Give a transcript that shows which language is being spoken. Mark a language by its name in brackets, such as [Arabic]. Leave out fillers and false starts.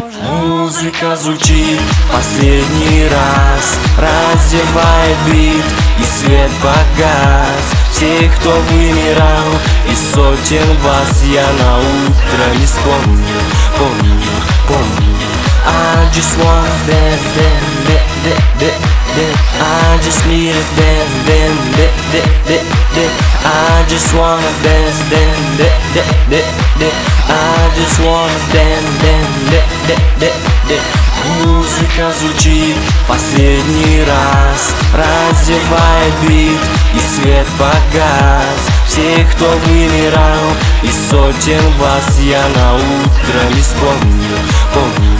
[Russian] Музыка звучит последний раз, раздевает бит, и свет погас. Тех, кто вымирал, и сотен вас я на утро не вспомню, помню, помню. [English] I just wanna dance, dance, dance, dance, dance, dance. I just need a dance, dance, dance, dance, dance, dance. I just wanna dance, dance, dance, dance, dance, dance. I just wanna dance, dance, dance, dance, dance, dance. [Russian] Музыка звучит последний раз, раздевает бит, и свет погас. Тех, кто вымирал, и сотен вас я на утро не вспомню, помню.